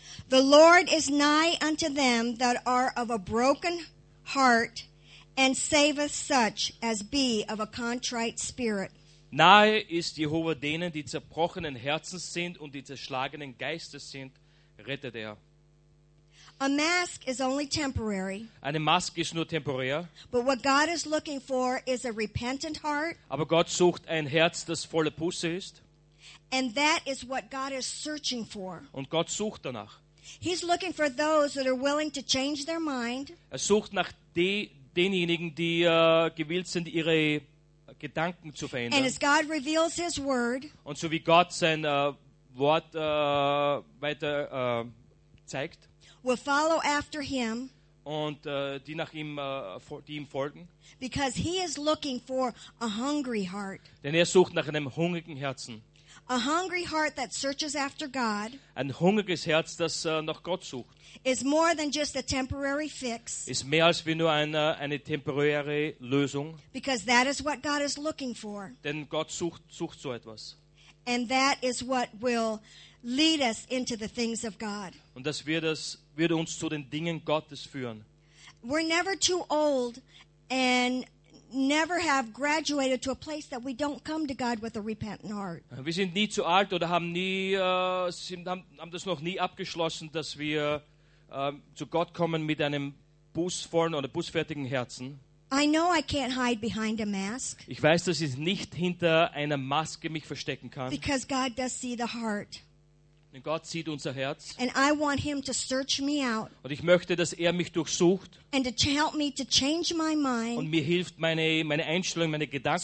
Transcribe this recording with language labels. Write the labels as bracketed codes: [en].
[en] The Lord is nigh unto them that are of a broken heart and saveth such as be of a contrite spirit. [de] Nahe ist Jehova denen, die zerbrochenen Herzens sind und die zerschlagenen Geistes sind, rettet er. [en] A mask is only temporary. [de] Eine Maske ist nur temporär. [en] But what God is looking for is a repentant heart. [de] Aber Gott sucht ein Herz, das voller Buße ist. [en] And that is what God is searching for. [de] Und Gott sucht danach. [en] He's looking for those that are willing to change their mind. [de] Er sucht nach denjenigen, die gewillt sind, ihre Gedanken zu verändern. [en] And as God reveals His word, [de] und so wie Gott sein Wort weiter zeigt, [en] will follow after Him, [de] und die nach ihm die ihm folgen, [en] because He is looking for a hungry heart. [de] Denn er sucht nach einem hungrigen Herzen. [en] A hungry heart that searches after God, [de] ein hungriges Herz, das nach Gott sucht, [en] is more than just a temporary fix, [de] ist mehr als wie nur eine temporäre Lösung, [en] because that is what God is looking for. [de] Denn Gott sucht so etwas. [en] And that is what will lead us into the things of God. [de] Und das wird uns zu den Dingen Gottes führen. [en] We're never too old and never have graduated to a place that we don't come to God with a repentant heart. [de] Wir sind nie zu alt oder haben nie haben das noch nie abgeschlossen, dass wir zu Gott kommen mit einem bußvollen oder bußfertigen Herzen. [en] I know I can't hide behind a mask. [de] Ich weiß, dass ich nicht hinter einer Maske mich verstecken kann. [en] Because God does see the heart. [de] Denn Gott sieht unser Herz. [en] And I want him to search me out. [de] Und ich möchte, dass er mich durchsucht. [en] And to help me to change my mind. [de] Und mir hilft, meine Einstellung, meine Gedanken